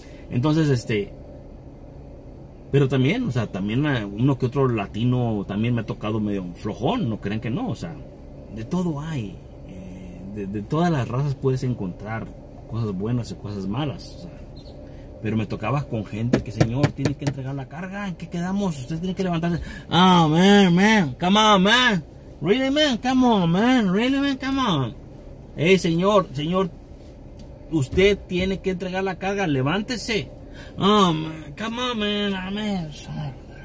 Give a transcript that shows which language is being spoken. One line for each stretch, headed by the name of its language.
Spanish: Entonces, pero también, o sea, también uno que otro latino también me ha tocado medio flojón, no crean que no, o sea, de todo hay, de todas las razas puedes encontrar cosas buenas y cosas malas, o sea, pero me tocaba con gente que, señor, tiene que entregar la carga, ¿en qué quedamos? Usted tiene que levantarse.
English: Oh, man, come on, man, really, man, come on, man, really, man, come on.
Spanish: Hey, señor, usted tiene que entregar la carga, levántese.
English: Oh, man, come on, man, I'm sorry.